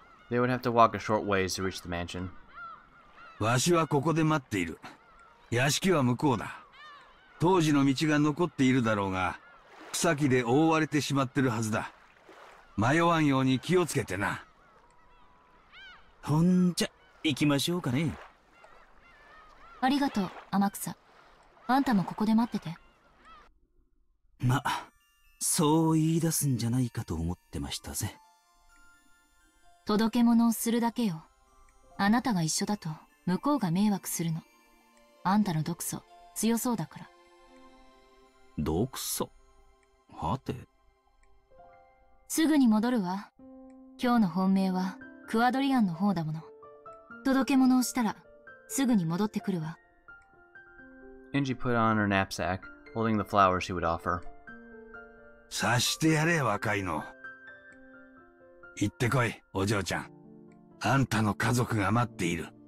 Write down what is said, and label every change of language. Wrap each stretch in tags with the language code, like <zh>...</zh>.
<en>They would have to walk a short ways to reach the mansion.</en> <ja>わしはここで待っている。屋敷は向こうだ。当時の道が残っているだろうが、草木で覆われてしまってるはずだ。迷わんように気をつけてな。ほんじゃ、行きましょうかね。ありがとう、天草。あんたもここで待ってて。ま、そう言い出すんじゃないかと思ってましたぜ。届け物をするだけよ。あなたが一緒だと向こうが迷惑するの。あんたの毒素強そうだから。毒素？はて。すぐに戻るわ。今日の本命はクアドリアンの方だもの。届け物をしたらすぐに戻ってくるわ。</ja> <en>Angie put on her knapsack, holding the flowers she would offer.</en> <ja>さしてやれ、若いの。行ってこい、お嬢ちゃん。あんたの家族が待っている。</ja>